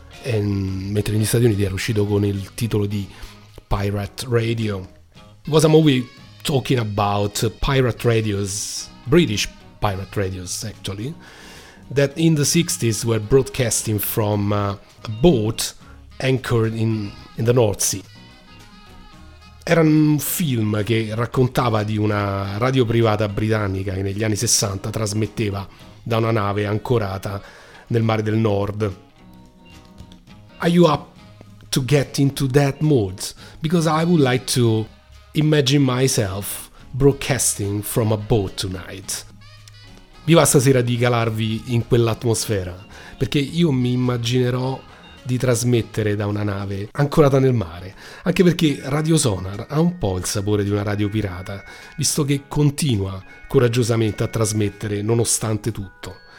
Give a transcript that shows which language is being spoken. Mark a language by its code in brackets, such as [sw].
[it] Mentre negli Stati Uniti era uscito con il titolo di Pirate Radio. [en] It was a movie talking about pirate radios, British pirate radios actually, that in the 60s were broadcasting from a boat anchored in the North Sea. [it] Era un film che raccontava di una radio privata britannica che negli anni 60 trasmetteva da una nave ancorata nel Mare del Nord. [en] Are you up to get into that mood? Because I would like to imagine myself broadcasting from a boat tonight. [it] Vi va stasera di calarvi in quell'atmosfera, perché io mi immaginerò di trasmettere da una nave ancorata nel mare, anche perché Radio Sonar ha un po' il sapore di una radio pirata, visto che continua coraggiosamente a trasmettere nonostante tutto.